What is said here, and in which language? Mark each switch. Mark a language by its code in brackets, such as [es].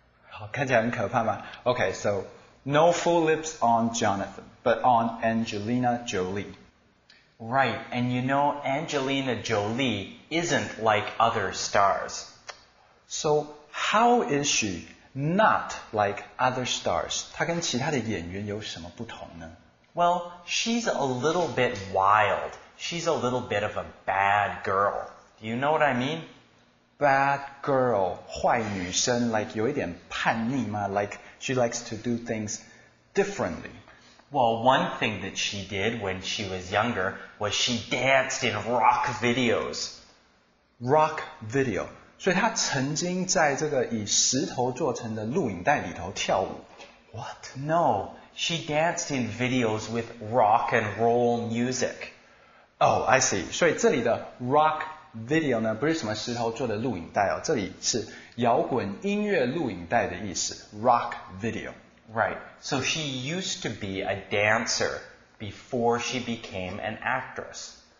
[zh] 好，看起来很可怕吗？ [en] Okay, so no full lips on Jonathan, but on Angelina Jolie. Right, and you know, Angelina Jolie isn't like other stars. So how is she not like other stars? [zh] 她跟其他的演员有什么不同呢？ [en] Well, she's a little bit wild. She's a little bit of a bad girl. Do you know what I mean? [zh] Bad girl, 坏女生 like 有一点叛逆吗? [en] Like she likes to do things differently. Well, one thing that she did when she was younger was she danced in rock videos. Rock video. [zh] 所以她曾经在这个以石头做成的录影带里头跳舞。 [en] What? No, she danced in videos with rock and roll music. Oh, I see. [zh] 所以这里的 rock video 呢，不是什么石头做的录影带哦，这里是摇滚音乐录影带的意思。Rock video. [en] Right. So she used to be a dancer. before she became an actress.